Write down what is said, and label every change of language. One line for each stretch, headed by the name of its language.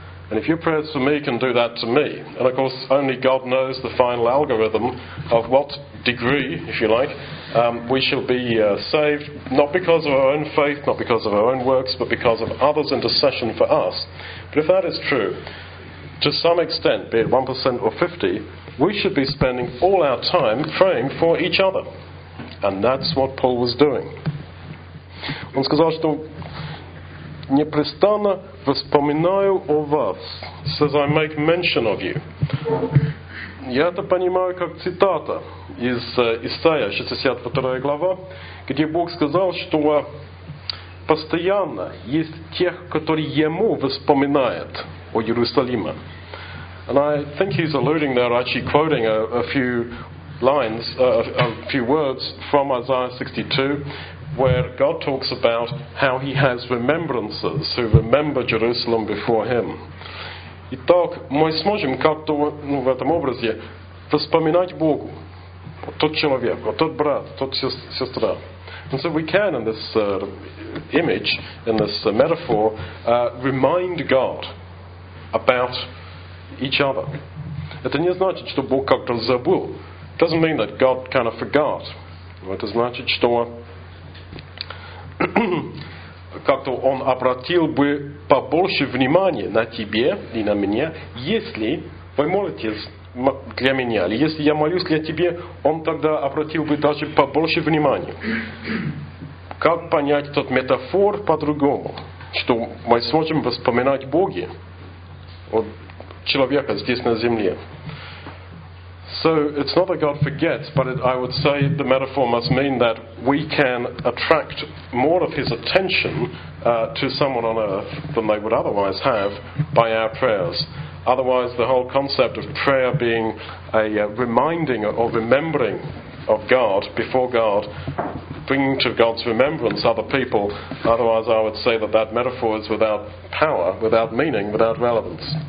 English: And if your prayers for me can do that to me, and of course only God knows the final algorithm of what degree, if you like, we shall be saved, not because of our own faith, not because of our own works, but because of others' intercession for us. But if that is true, to some extent, be it 1% or 50, we should be spending all our time praying for each other. And that's what Paul was doing.
Russian: Он сказал, что непрестанно вспоминаю о вас.
English: Says I make mention of you.
Russian: Я это понимаю как цитата из Исаия 62 глава, где Бог сказал, что постоянно есть тех, которые ему вспоминают о Иерусалиме.
English: And I think he's alluding there, actually quoting a few words from Isaiah 62, where God talks about how he has remembrancers who remember Jerusalem before him.
Russian: Итак, мы сможем как-то в этом образе вспоминать Богу, тот человек, тот брат, тот сестра.
English: And so we can, in this image, in this metaphor, remind God about each other.
Russian: Это не значит, что Бог как-то забыл.
English: It doesn't mean that God kind of forgot.
Russian: Это значит, что как-то он обратил бы побольше внимания на тебе и на меня, если вы молитесь для меня, или если я молюсь для тебя, он тогда обратил бы даже побольше внимания. Как понять этот метафор по-другому? Что мы сможем вспоминать Бога, вот человека здесь на земле.
English: So it's not that God forgets, but I would say the metaphor must mean that we can attract more of his attention to someone on earth than they would otherwise have by our prayers. Otherwise, the whole concept of prayer being a reminding or remembering of God, before God, bringing to God's remembrance other people, otherwise I would say that metaphor is without power, without meaning, without relevance.